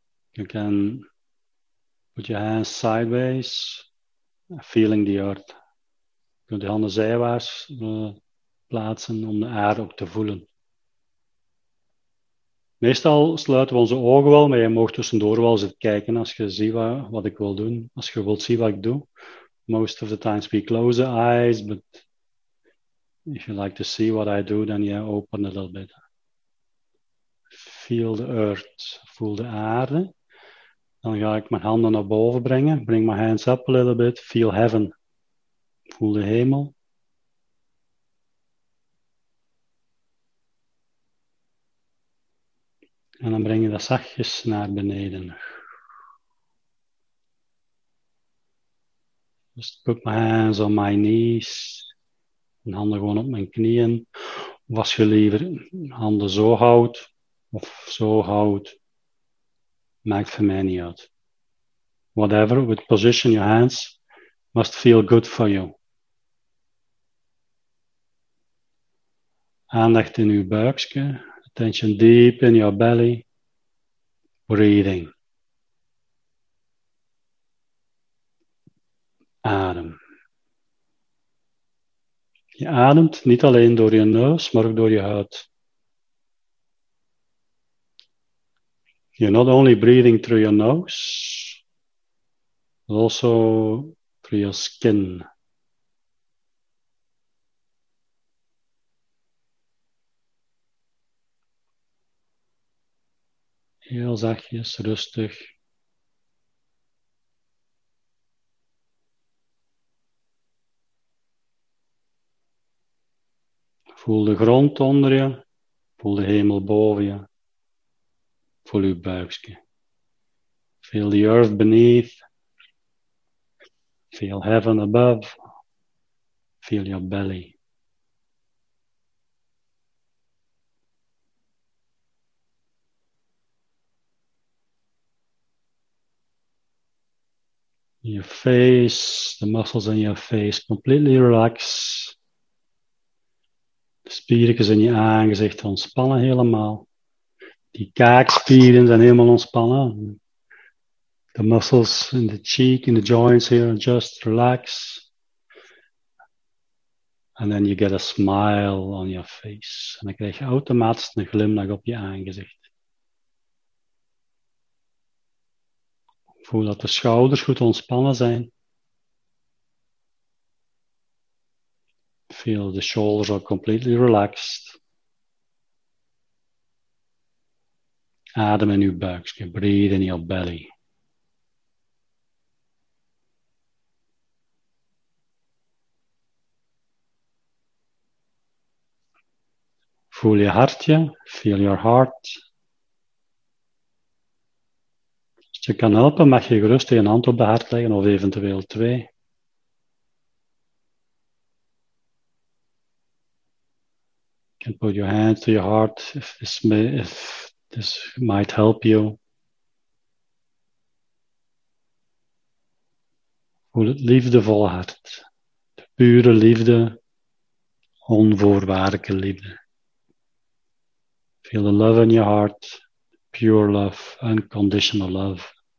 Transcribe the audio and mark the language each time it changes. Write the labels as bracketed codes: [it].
[en] You can put your hands sideways. Feeling the earth. [nl] Je kunt je handen zijwaarts plaatsen om de aarde ook te voelen. Meestal sluiten we onze ogen wel, maar je mag tussendoor wel eens kijken als je ziet wat ik wil doen. Als je wilt zien wat ik doe. [en] Most of the times we close the eyes, but if you like to see what I do, then you open a little bit. Feel the earth. [nl] Voel de aarde. Dan ga ik mijn handen naar boven brengen. [en] Bring my hands up a little bit. [nl] Feel heaven. Voel de hemel. En dan breng je dat zachtjes naar beneden. [en] Just put my hands on my knees. [nl] Mijn handen gewoon op mijn knieën. Of als je liever handen zo houdt, of zo houdt, maakt voor mij niet uit. [en] Whatever, with position your hands, must feel good for you. [nl] Aandacht in uw buikje. [en] Attention deep in your belly. Breathing. [nl] Adem. Je ademt niet alleen door je neus, maar ook door je huid. [en] You're not only breathing through your nose, but also through your skin. [nl] Heel zachtjes, rustig. Voel de grond onder je. Voel de hemel boven je. Voel je buikje. [en] Feel the earth beneath. Feel heaven above. Feel your belly. Your face, the muscles in your face completely relax. [nl] De spieren in je aangezicht ontspannen helemaal. Die kaakspieren zijn helemaal ontspannen. [en] The muscles in the cheek, in the joints here, just relax. And then you get a smile on your face. [nl] En dan krijg je automatisch een glimlach op je aangezicht. Voel dat de schouders goed ontspannen zijn. [en] Feel the shoulders are completely relaxed. [nl] Adem in uw buikje, [en] breathe in your belly. [nl] Voel je hartje, [en] feel your heart. [nl] Als je kan helpen, mag je gerust een hand op de hart leggen of eventueel twee. [en] You can put your hand to your heart if this might help you. [nl] Voel het liefdevolle hart. De pure liefde. Onvoorwaardelijke liefde. [en] Feel the love in your heart. Pure love. Unconditional love.